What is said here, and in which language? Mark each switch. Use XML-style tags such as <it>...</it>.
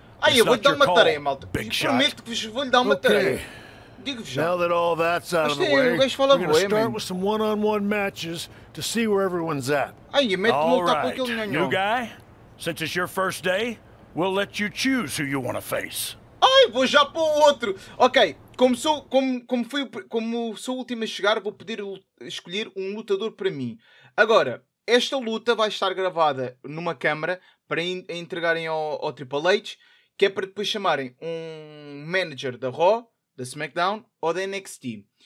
<pt>Aí, eu vou-lhe dar uma tarefa, malta. Prometo que vou-lhe dar uma tarefa. Digo-vos já.</pt> <en>Now that all that's out of the way, we're going to start with some one-on-one matches to see where everyone's at.</en> <pt>Aí, mete-me um tapa com aquele nhanhão.</pt> <en>New guy, since it's your first day, we'll let you choose who you want to face.</en> <pt>Ai, vou já para o outro. Ok, como sou o último a chegar, vou poder escolher um lutador para mim. Agora, esta luta vai estar gravada numa câmara para entregarem ao Triple H, que é para depois chamarem um manager da Raw, da SmackDown ou da NXT.</pt>